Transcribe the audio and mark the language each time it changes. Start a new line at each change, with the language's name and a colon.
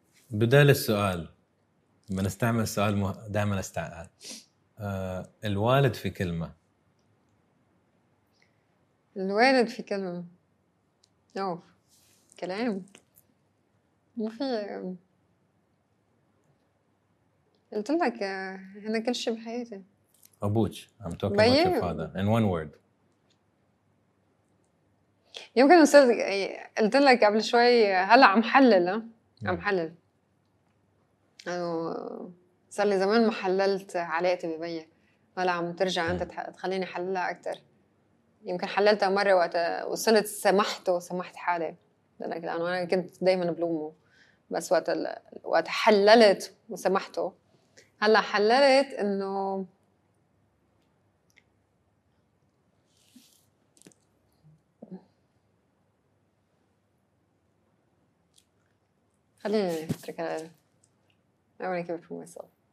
Arabic: بدال السؤال بنستعمل السؤال دائما استعمل الوالد في كلمة. الوالد في كلمة أوف كلام ما في، قلت لك هنا كل شيء بحياتي. أبوك
English: I'm talking about your father in one word.
Arabic: يمكن أستاذ قلت لك قبل شوي هلا عم حلل حلل أنا صار لي زمان ما حللت علاقتي ببي، هلا عم ترجع أنت تخليني حللها أكتر. يمكن حللتها مرة وقت وصلت سمحت حالي لأنك لأنه أنا كنت دايما بلومه، بس وقت حللت وسمحته هلا حللت إنه خليني أترك هذا.
English: I want to keep it for myself.